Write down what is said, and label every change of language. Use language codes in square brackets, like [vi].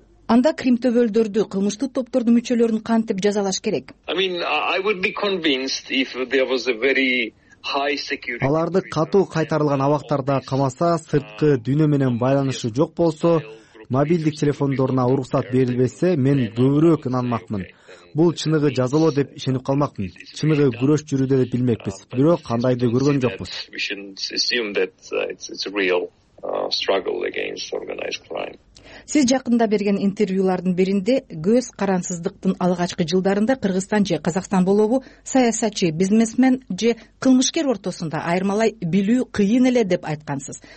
[ky] Анда кримтөбөлдөрдү, кылмыштуу топтордун мүчөлөрүн кантип жазалаш керек? [en] I mean, I would be convinced if there was a very high security. [ky] Аларды катуу кайтарылган абактарда камаса, сырткы дүйнө менен байланышы жок болсо, мобилдик телефондоруна уруксат берилбесе, мен көбүрөөк инанмакмын. Бул чыныгы жазало деп ишенип калмакмын. Чыныгы күрөш жүрүүдө деп билмекпиз, бирок кандайды көргөн жокпуз. [en] We should assume that it's a real struggle against organized crime. [ky] Сиз жакында берген интервьюлардын биринде көз карансыздыктын алгачкы жылдарында Кыргызстан же Казакстан болобу, саясатчы, бизнесмен же кылмышкер ортосунда айырмалай билүү кыйын эле деп айткансыз.